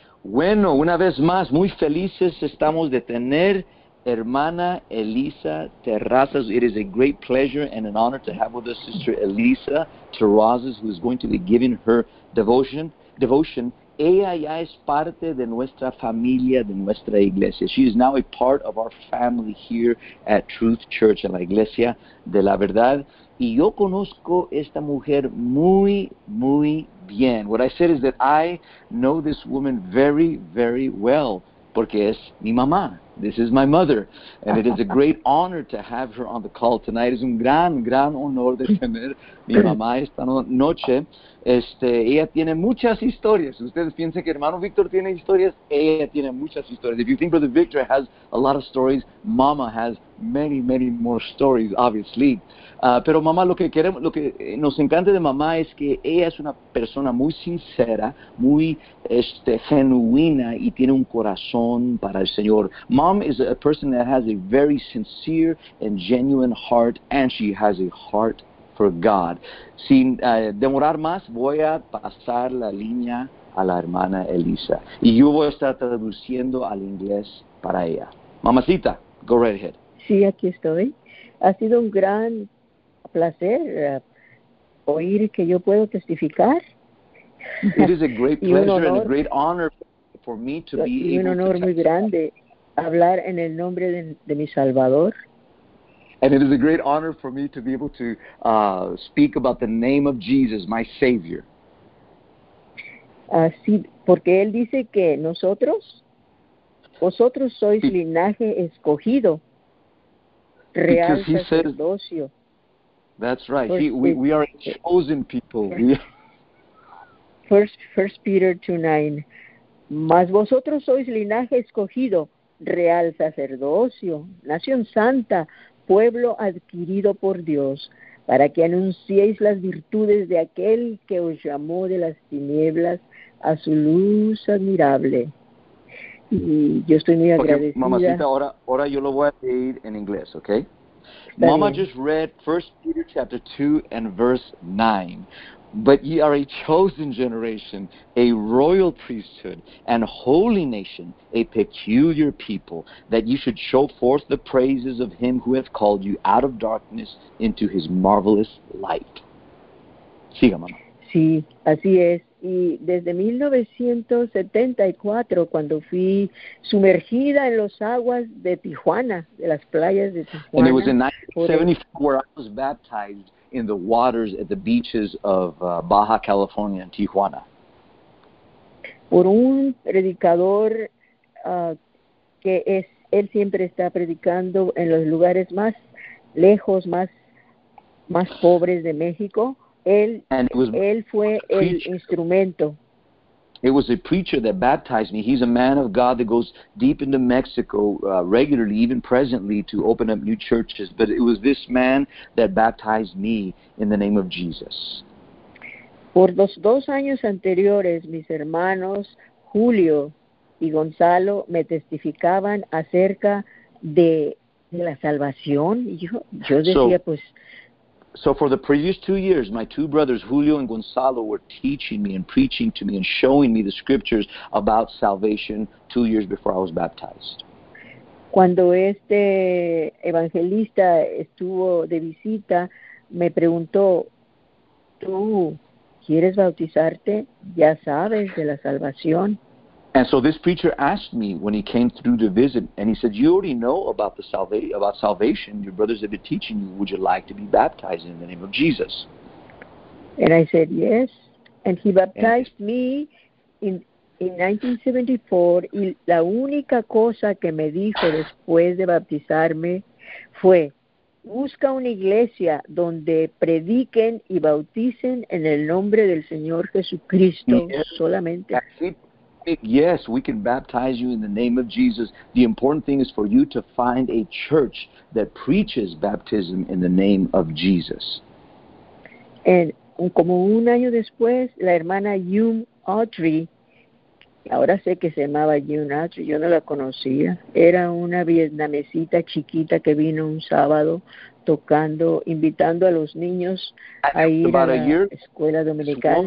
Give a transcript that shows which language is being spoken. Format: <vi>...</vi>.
<es>Bueno, una vez más, muy felices estamos de tener hermana Elisa Terrazas.</es> <en>It is a great pleasure and an honor to have with us Sister Elisa Terrazas, who is going to be giving her devotion.</en> <es>Ella ya es parte de nuestra familia, de nuestra iglesia.</es> <en>She is now a part of our family here at Truth Church,</en> <es>en la Iglesia de la Verdad. Y yo conozco esta mujer muy, muy bien.</es> <en>What I said is that I know this woman very, very well,</en> <es>porque es mi mamá.</es> <en>This is my mother. And it is a great honor to have her on the call tonight.</en> <es>Es un gran, gran honor de tener mi mamá esta noche. Ella tiene muchas historias. Ustedes piensan que hermano Víctor tiene historias. Ella tiene muchas historias.</es> <en>If you think Brother Victor has a lot of stories, mama has many, many more stories, obviously.</en> <es>Pero mamá, lo que nos encanta de mamá es que ella es una persona muy sincera, muy genuina y tiene un corazón para el Señor.</es> <en>Mom is a person that has a very sincere and genuine heart, and she has a heart for God.</en> <es>Sin demorar más, voy a pasar la línea a la hermana Elisa. Y yo voy a estar traduciendo al inglés para ella.</es> <en>Mamacita, go right ahead.</en> <es>Sí, aquí estoy. Ha sido un gran placer oír que yo puedo testificar.</es> <en>It is a great pleasure and a great honor for me to be able to...</en> <es>Y un honor muy grande hablar en el nombre de mi Salvador.</es> <en>And it is a great honor for me to be able to speak about the name of Jesus, my Savior.</en> <es>Sí, porque Él dice que vosotros sois linaje escogido, real sacerdocio.</es> <en>That's right. We are a chosen people. First Peter 2:9.</en> <es>Mas vosotros sois linaje escogido, real sacerdocio, nación santa, pueblo adquirido por Dios, para que anunciéis las virtudes de aquel que os llamó de las tinieblas a su luz admirable. Y yo estoy muy agradecida. Okay, mamacita, ahora yo lo voy a leer en inglés, ¿ok? Está Mama bien.</es> <en>Just read 1 Peter chapter 2 and verse 9. But ye are a chosen generation, a royal priesthood, and holy nation, a peculiar people, that ye should show forth the praises of him who hath called you out of darkness into his marvelous light.</en> <es>Siga, mamá. Sí, así es. Y desde 1974, cuando fui sumergida en las aguas de Tijuana, de las playas de Tijuana.</es> <en>And it was in 1974 where I was baptized in the waters at the beaches of Baja California and Tijuana.</en> <es>Por un predicador que es, él siempre está predicando en los lugares más lejos, más pobres de México. Él fue el instrumento.</es> <en>It was a preacher that baptized me. He's a man of God that goes deep into Mexico regularly, even presently, to open up new churches. But it was this man that baptized me in the name of Jesus.</en> <es>Por los dos años anteriores, mis hermanos Julio y Gonzalo me testificaban acerca de la salvación. Yo decía,</es> <en>So for the previous 2 years, my two brothers, Julio and Gonzalo, were teaching me and preaching to me and showing me the scriptures about salvation 2 years before I was baptized.</en> <es>Cuando este evangelista estuvo de visita, me preguntó, ¿tú quieres bautizarte? Ya sabes de la salvación.</es> <en>And so this preacher asked me when he came through to visit, and he said, you already know about salvation. Your brothers have been teaching you. Would you like to be baptized in the name of Jesus? And I said, yes. And he baptized me in 1974.</en> <es>Y la única cosa que me dijo después de bautizarme fue, busca una iglesia donde prediquen y bauticen en el nombre del Señor Jesucristo solamente.</es> <en>Yes, we can baptize you in the name of Jesus. The important thing is for you to find a church that preaches baptism in the name of Jesus.</en> <es>And como un año después, la hermana June Autry, ahora sé que se llamaba June Autry, yo no la conocía, era una vietnamesita chiquita que vino un sábado tocando, invitando a los niños a ir a la escuela dominical.</es>